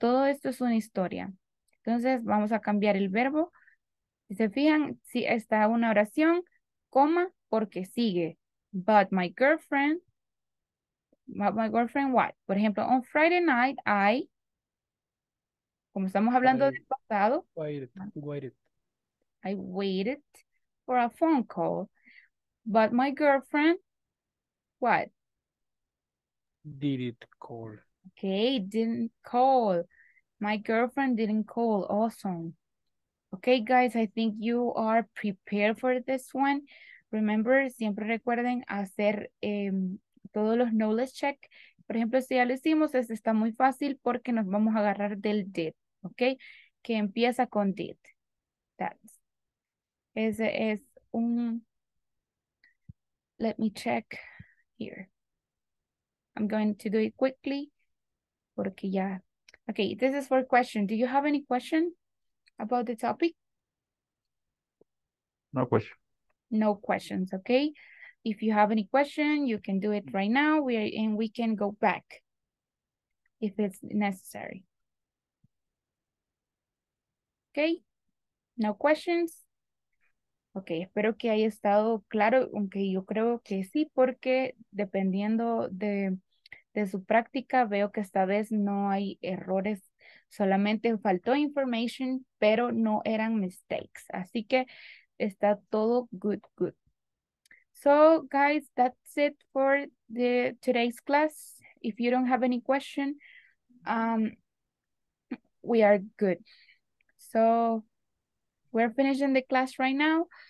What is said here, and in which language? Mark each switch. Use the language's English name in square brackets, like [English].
[Spanish] Todo esto es una historia. Entonces, vamos a cambiar el verbo. Si se fijan, sí, está una oración, coma, porque sigue. [English] But my girlfriend what? [Spanish] Por ejemplo, [English] on Friday night, I, [Spanish] como estamos hablando del pasado. [English] Waited. I waited for a phone call, but my girlfriend, what? Didn't call. Okay, didn't call. My girlfriend didn't call. Awesome. Okay, guys, I think you are prepared for this one. [Spanish] Remember, siempre recuerden hacer todos los knowledge check. Por ejemplo, si ya lo hicimos, este está muy fácil porque nos vamos a agarrar del did, okay? Que empieza con did. That's. Ese es un, [English] let me check here. I'm going to do it quickly, [Spanish] porque ya. [English] Okay, this is for question. Do you have any question about the topic? No question. No questions, okay? If you have any question, you can do it right now. We can go back if it's necessary. Okay, no questions. [Spanish] Ok, espero que haya estado claro, aunque yo creo que sí, porque dependiendo de su práctica, veo que esta vez no hay errores, solamente faltó information, pero no eran mistakes. Así que está todo [English] good, good. So, guys, that's it for the today's class. If you don't have any question, we are good. So, we're finishing the class right now.